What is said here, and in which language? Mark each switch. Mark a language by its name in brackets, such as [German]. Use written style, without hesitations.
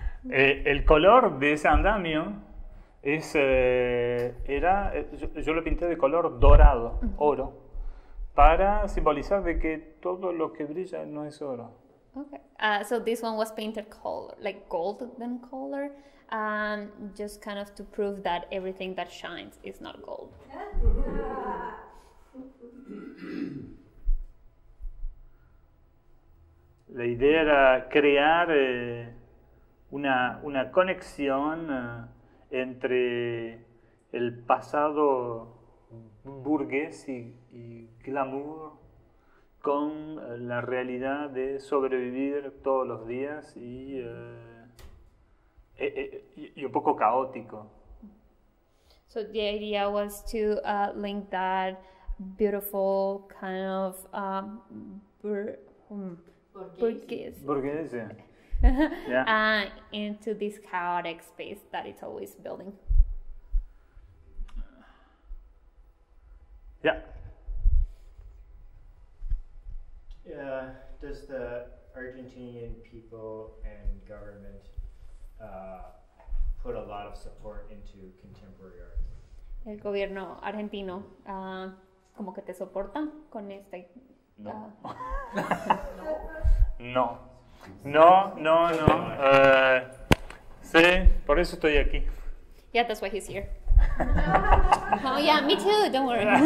[Spanish] El color de ese andamio es era yo lo pinté de color dorado, oro, para simbolizar de que todo lo que brilla no es oro. [English] Okay. So this one was painted color, like golden color, just kind of to prove that everything that shines is not gold. [Spanish] La idea era crear una conexión entre el pasado burgués y glamour con la realidad de sobrevivir todos los días y un poco caótico. [English] So the idea was to link that beautiful kind of [Spanish] burgués. [English] Yeah. Into this chaotic space that it's always building. Yeah. Does the Argentinian people and government put a lot of support into contemporary art? [Spanish] El gobierno argentino, como que te soporta con este. No. No. No. No. No. Sí. Por eso estoy aquí. [English] Yeah, that's why he's here. Oh yeah, me too. Don't worry.